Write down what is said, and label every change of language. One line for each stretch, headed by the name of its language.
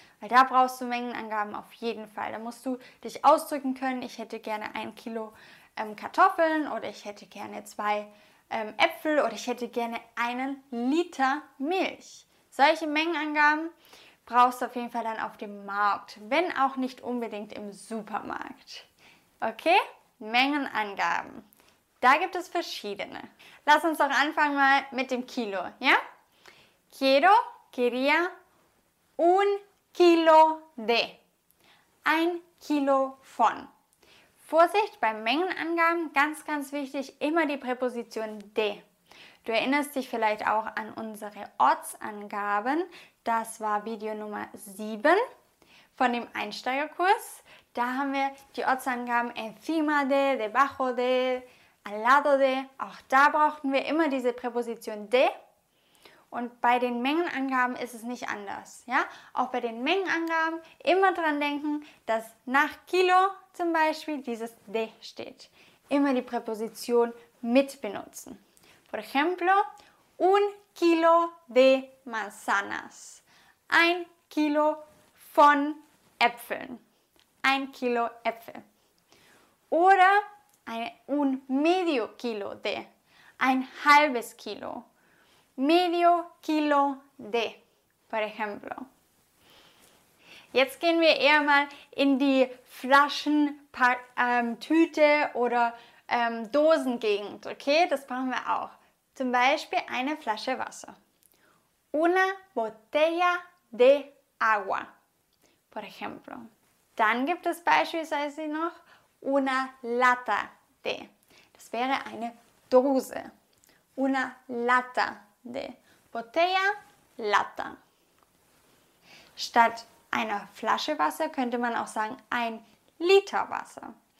German: Weil da brauchst du Mengenangaben auf jeden Fall. Da musst du dich ausdrücken können, ich hätte gerne 1 Kilo Kartoffeln oder ich hätte gerne 2 Äpfel oder ich hätte gerne 1 Liter Milch. Solche Mengenangaben brauchst du auf jeden Fall dann auf dem Markt, wenn auch nicht unbedingt im Supermarkt. Okay? Mengenangaben. Da gibt es verschiedene. Lass uns doch anfangen mal mit dem Kilo, ja?
Spanish: Quiero, quería, un kilo de.
German: 1 Kilo von. Vorsicht, bei Mengenangaben, ganz, ganz wichtig, immer die Präposition de. Du erinnerst dich vielleicht auch an unsere Ortsangaben. Das war Video Nummer 7 von dem Einsteigerkurs. Da haben wir die Ortsangaben
Spanish: encima de, debajo de, al lado de.
German: Auch da brauchten wir immer diese Präposition de. Und bei den Mengenangaben ist es nicht anders. Ja? Auch bei den Mengenangaben immer dran denken, dass nach Kilo zum Beispiel dieses de steht. Immer die Präposition mit benutzen.
Spanish: Por ejemplo, 1 Kilo de manzanas.
German: 1 Kilo von Äpfeln. 1 Kilo Äpfel. Oder
Spanish: un medio kilo de.
German: 1/2 Kilo.
Spanish: Medio kilo de, por ejemplo.
German: Jetzt gehen wir eher mal in die Flaschen-Tüte oder Dosengegend, okay? Das brauchen wir auch. Zum Beispiel eine Flasche Wasser.
Spanish: Una botella de agua, por ejemplo.
German: Dann gibt es beispielsweise noch
Spanish: una lata de.
German: Das wäre eine Dose.
Spanish: Una lata de.
German: Botella, lata. Statt einer Flasche Wasser könnte man auch sagen 1 Liter Wasser.